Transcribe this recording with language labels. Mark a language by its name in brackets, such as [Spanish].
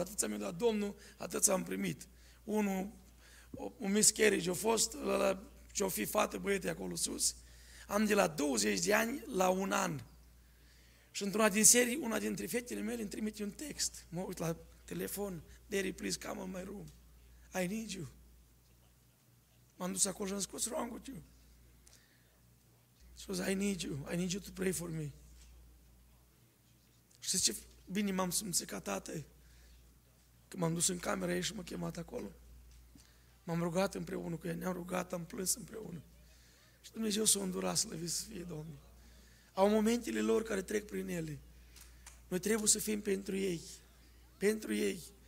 [Romanian] Atât mi-a dat Domnul, atât am primit. Un miscarriage a fost, ce o fi fată băiete acolo sus. Am de la 20 de ani la un an. Și într-una din serii, una dintre fetele mele îmi trimite un text. Mă uit la telefon, [English] Daddy, please, come in my room. I need you. [Romanian] M-am dus acolo și am spus, [English] wrong with you. [Romanian] Și spus, [English] I need you to pray for me. [Romanian] Știți ce bine m-am simțit ca tată? Că m-am dus în camera ei și m-a chemat acolo. M-am rugat împreună cu ea, ne-am rugat, am plâns împreună. Și Dumnezeu s-a îndurat, slăvit să fie Domnul. Au momentele lor care trec prin ele. Noi trebuie să fim pentru ei. Pentru ei.